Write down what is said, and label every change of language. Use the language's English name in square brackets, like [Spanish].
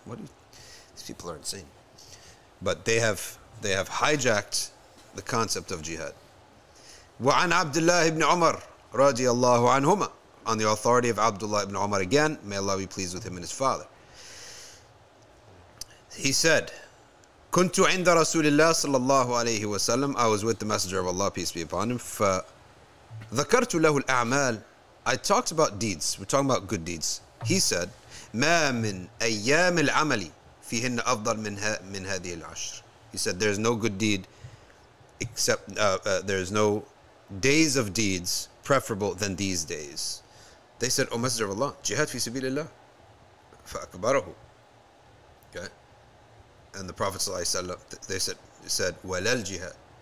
[English] What do you, these people are insane. But they have hijacked the concept of jihad. [Arabic] وَعَنْ عَبْدِ اللَّهِ بْنِ عُمَرْ رَضِيَ اللَّهُ عَنْهُمَا. [English] On the authority of Abdullah ibn Umar again, may Allah be pleased with him and his father. He said, [Arabic] كُنْتُ عِنْدَ رَسُولِ اللَّهِ صَلَّى اللَّهُ عَلَيْهِ وَسَلَّمْ. [English] I was with the Messenger of Allah, peace be upon him. [Arabic] ذَكَرْتُ لَهُ الْأَعْمَالِ. [English] I talked about deeds. We're talking about good deeds. He said, [Arabic] مَا مِنْ أَيَّامِ الْعَمَلِ فِيهِنَّ أَفْضَلْ مِنْ هَذِهِ الْعَشْرِ. [English] He said, there's no good deed, except there's no days of deeds preferable than these days. They said, O Messenger of Allah, [Arabic] jihad fi sabilillah. فَأَكْبَرَهُ. Okay. [English] And the Prophet ﷺ, they said, [Arabic] وَلَى الْجِهَادِ.